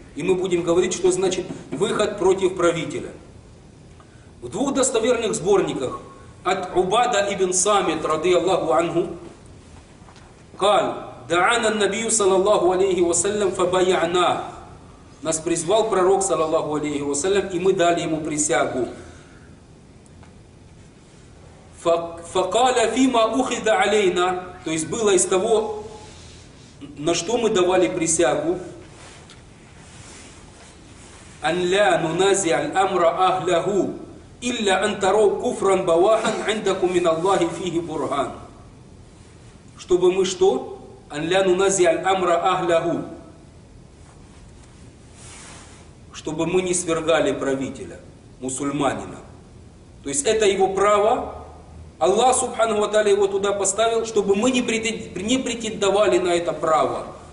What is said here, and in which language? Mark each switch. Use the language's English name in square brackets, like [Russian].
[Russian] И мы будем говорить, что значит выход против правителя. В двух достоверных сборниках от Убада ибн Самит, ради Аллаху ангу, каль, [Arabic] دعانا النبي صلى الله عليه وسلم فبايعنا [Russian] нас призвал пророк صلى الله عليه وسلم и мы дали ему присягу. [Arabic] فقال فيما أخذ علينا, [Russian] то есть было из того, на что мы давали присягу, [Arabic] أن لا ننازع الأمر أهله إلا أن تروا كفرا بواحا عندكم من الله فيه برهان, [Russian] чтобы мы что? [Arabic] Анляну назиаль амра ахляху, [Russian] чтобы мы не свергали правителя, мусульманина. То есть это его право, Аллах субхану ва тааля его туда поставил, чтобы мы не претендовали на это право.